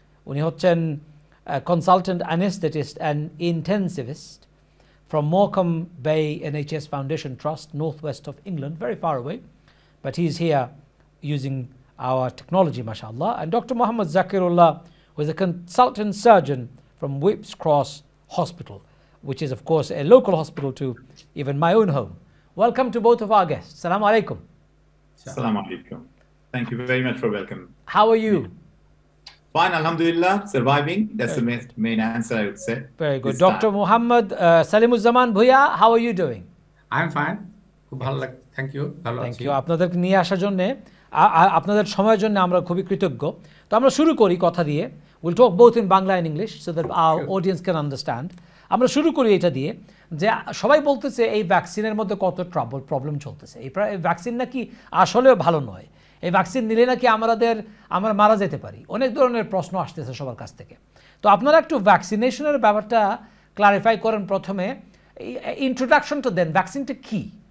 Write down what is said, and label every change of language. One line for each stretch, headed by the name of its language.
English: উনি হচ্ছেন consultant anaesthetist and intensivist from Morecambe Bay NHS foundation trust, north west of England, very far away, but he is here using our technology মাশাআল্লাহ। And doctor Mohammad Zakirullah who is a consultant surgeon from Whipps Cross hospital, which is, of course, a local hospital to even my own home. Welcome to both of our guests.
Arabic: Assalamu alaikum. Assalamu alaikum.
English: Thank you very much for welcoming. How are you? Fine, alhamdulillah, surviving. That's okay. The main answer, I would say. Very good. Dr. Muhammad Salimuzzaman Bhuya, how are you doing? I'm fine. Thank you. Thank you.
Bangla: আপনাদের নিয়ে আসার জন্য, আপনাদের সময়ের জন্য আমরা খুবই কৃতজ্ঞ। তো আমরা শুরু করি কথা দিয়ে।
English: We'll talk both in Bangla and English so that our audience can understand.
Bangla: আমরা শুরু করি এটা দিয়ে যে সবাই বলতেছে এই ভ্যাকসিনের মধ্যে কত ট্রাবল প্রবলেম চলতেছে, এই ভ্যাকসিন নাকি আসলেও ভালো নয়, এই ভ্যাকসিন নিলে নাকি আমরা মারা যেতে পারি, অনেক ধরনের প্রশ্ন আসতেছে সবার কাছ থেকে। তো আপনারা একটু ভ্যাকসিনেশনের ব্যাপারটা ক্লারিফাই করেন প্রথমে, ইন্ট্রোডাকশনটা দেন, ভ্যাকসিনটা কী।